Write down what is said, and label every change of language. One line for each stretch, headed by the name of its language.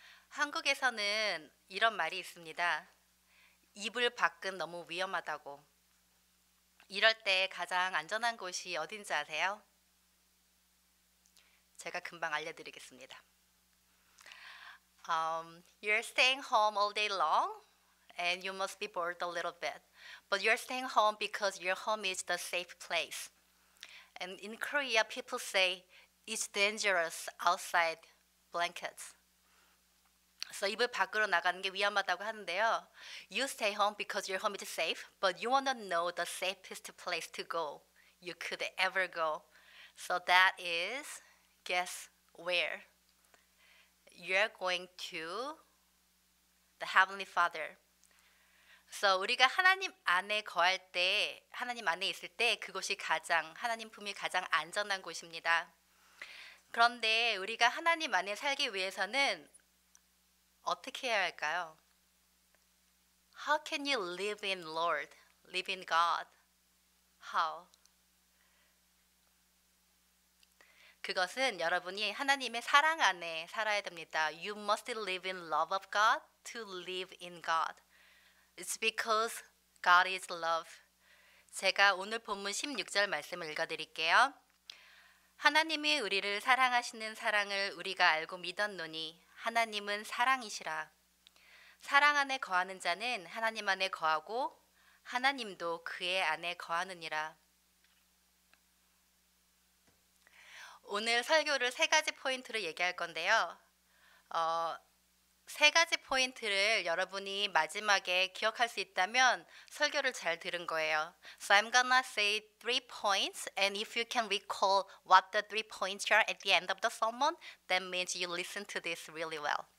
Korean: 한국에서는 이런 말이 있습니다. 이불 밖은 너무 위험하다고. 이럴 때 가장 안전한 곳이 어딘지 아세요? 제가 금방 알려드리겠습니다.
English: You're staying home all day long? And you must be bored a little bit. But you're staying home because your home is the safe place. And in Korea, people say it's dangerous outside blankets.
Korean: So 이불 밖으로 나가는 게 위험하다고 하는데요.
English: You stay home because your home is safe, but you want to know the safest place to go you could ever go. So that is, guess where? You're going to the Heavenly Father.
Korean: So 우리가 하나님 안에 거할 때, 하나님 안에 있을 때 그곳이 가장 하나님 품이 가장 안전한 곳입니다. 그런데 우리가 하나님 안에 살기 위해서는 어떻게 해야 할까요?
English: How can you live in Lord, live in God? How?
Korean: 그것은 여러분이 하나님의 사랑 안에 살아야 됩니다.
English: You must live in love of God to live in God. It's because God is love.
Korean: 제가 오늘 본문 16절 말씀을 읽어드릴게요. 하나님이 우리를 사랑하시는 사랑을 우리가 알고 믿었노니 하나님은 사랑이시라. 사랑 안에 거하는 자는 하나님 안에 거하고 하나님도 그의 안에 거하느니라. 오늘 설교를 세 가지 포인트로 얘기할 건데요. 세 가지 포인트를 여러분이 마지막에 기억할 수 있다면 설교를 잘 들은 거예요.
English: So I'm gonna say three points, and if you can recall what the three points are at the end of the sermon, that means you listen to this really well.